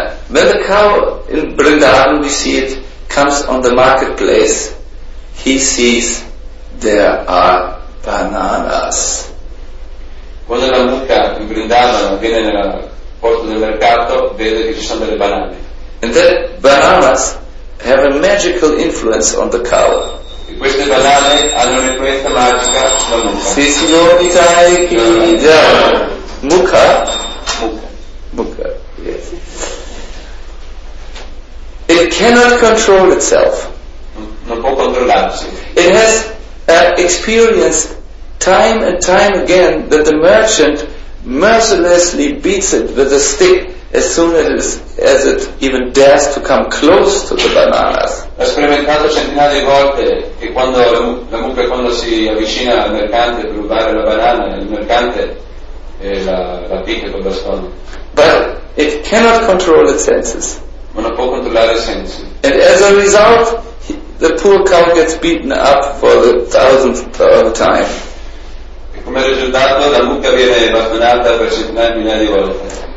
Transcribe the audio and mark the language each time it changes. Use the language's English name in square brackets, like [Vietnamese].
[English] When the cow in Vrindavan, we see it, comes on the marketplace, he sees there are bananas. [Italian] Quando la mucca in Vrindavan viene nella porta del mercato, vede che ci sono delle banane. [English] And the bananas have a magical influence on the cow. [Italian] E queste banane hanno un'influenza magica sulla mucca. Si signori dai chi già mucca. Mucca. [English] Yes. It cannot control itself. [Italian] Non può controllarsi. [English] It has experienced time and time again that the merchant mercilessly beats it with a stick as soon as it even dares to come close to the bananas. [Italian] Ha sperimentato centinaia di volte che quando la mucca quando si avvicina al mercante per rubare la banana, il mercante la picca con la spada. [English] But it cannot control its senses. [Italian] Ma non può controllare i sensi. [English] And as a result, the poor cow gets beaten up for the thousandth time. [Italian] E come risultato, la mucca viene bastonata per centinaia di migliaia di volte.